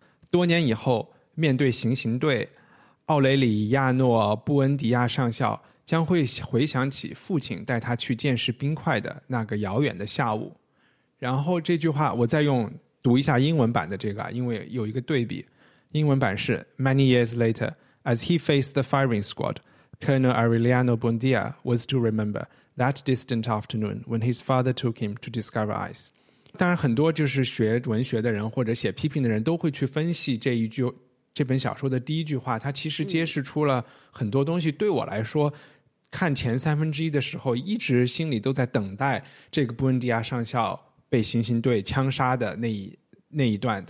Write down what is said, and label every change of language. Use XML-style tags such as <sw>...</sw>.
<zh>多年以后，面对行刑队，奥雷里亚诺·布恩迪亚上校将会回想起父亲带他去见识冰块的那个遥远的下午。然后这句话我再用读一下英文版的这个，因为有一个对比。英文版是</zh> <en>Many years laterAs he faced the firing squad, Colonel Aureliano Buendia was to remember that distant afternoon when his father took him to discover ice.</en> <zh>当然很多就是学文学的人或者写批评的人都会去分析这本小说的第一句话，它其实揭示出了很多东西。对我来说，看前三分之一的时候，一直心里都在等待这个 Buendia 上校被行刑队枪杀的那一段。</zh>